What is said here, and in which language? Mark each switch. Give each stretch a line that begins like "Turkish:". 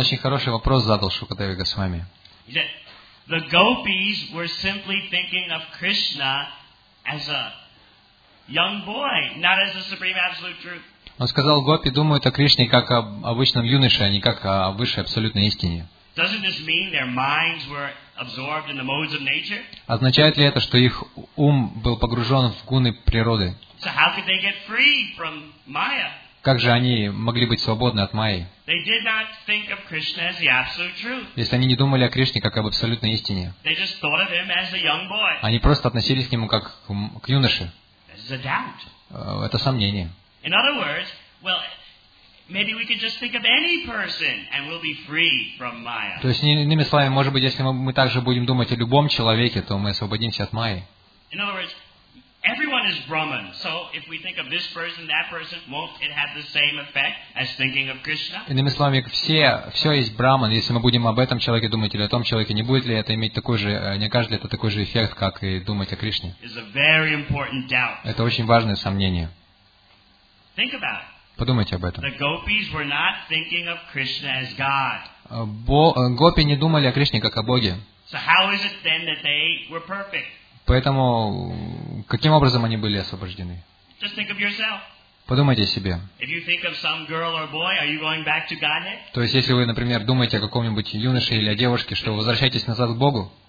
Russian: Он очень хороший вопрос задал Шукадеве Госвами.
English: The gopis were simply thinking of Krishna as a young boy, not as the supreme absolute truth.
Russian: Он сказал, гопи думают о Кришне как об обычном юноше, а не как о высшей абсолютной истине.
English: Doesn't this mean their minds were absorbed in the modes of nature?
Russian: Означает ли это, что их ум был погружен в гуны природы?
English: So how could they get free from Maya?
Russian: Как же они могли быть свободны от Майи?
English: They did not think of Krishna as the absolute truth.
Russian: Если они не думали о Кришне как об абсолютной истине.
English: They just thought of him as a young boy.
Russian: Они просто относились к нему как к юноше.
English: This is a doubt.
Russian: Это сомнение.
English: In other words, well, maybe we could just think of any person and we'll be free from Maya.
Russian: То есть иными словами, может быть, если мы также будем думать о любом человеке, то мы освободимся от Майи.
English: In other words, everyone is Brahman. So if we think of this person, that person, won't it have the same effect as thinking of Krishna?
Russian: Иными словами, все есть Брахман. Если мы будем об этом человеке думать или о том человеке, не будет ли это иметь такой же, не окажет ли это такой же эффект, как и думать о Кришне?
English: It's a very important doubt.
Russian: Это очень важное сомнение.
English: Think about it.
Russian: Подумайте об этом.
English: The gopis were not thinking of Krishna as God.
Russian: Гопи не думали о Кришне как о Боге.
English: So how is it then that they were perfect?
Russian: Поэтому каким образом они были освобождены?
English: Just think of yourself.
Russian: Подумайте о себе.
English: If you think of some girl or boy, are you going back to Godhead?
Russian: То есть если вы, например, думаете о каком-нибудь юноше или о девушке, что вы возвращаетесь назад к Богу?